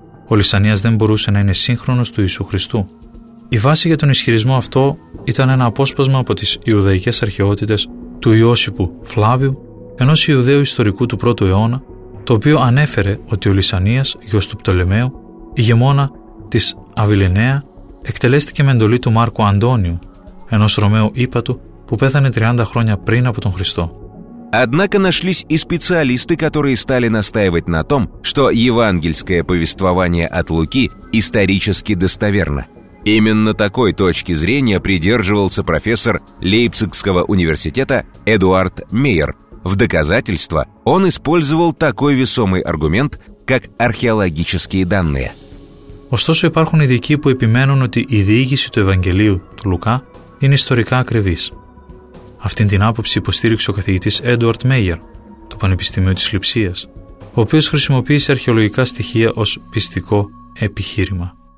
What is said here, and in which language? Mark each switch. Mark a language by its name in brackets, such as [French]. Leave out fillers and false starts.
[Greek] Ο Λυσανίας δεν μπορούσε να είναι σύγχρονος του Ιησού Χριστού. Η βάση για τον ισχυρισμό αυτό ήταν ένα απόσπασμα από τις Ιουδαϊκές αρχαιότητες του Ιώσιπου Φλάβιου, ενός Ιουδαίου ιστορικού του 1ου αιώνα, το οποίο ανέφερε ότι ο Λυσανίας, γιος του Πτολεμαίου, ηγεμόνα της Αβιλενέα, εκτελέστηκε με εντολή του Μάρκου Αντώνιου, ενός Ρωμαίου ύπατου που πέθανε 30 χρόνια πριν από τον Χριστό. [Russian] Однако нашлись и специалисты, которые стали настаивать на том, что евангельское повествование от Луки исторически достоверно. Именно такой точки зрения придерживался профессор Лейпцигского университета Эдуард Мейер. В доказательство он использовал такой весомый аргумент, как археологические данные. [Greek] Ωστόσο, υπάρχουν ειδικοί που επιμένουν ότι η διήγηση του Ευαγγελίου του Λουκά είναι ιστορικά ακριβής. Αυτήν την άποψη υποστήριξε ο καθηγητής Έντουαρτ Μέγερ, το Πανεπιστημίο της Λειψίας, ο οποίος χρησιμοποίησε αρχαιολογικά στοιχεία ως πιστικό επιχείρημα.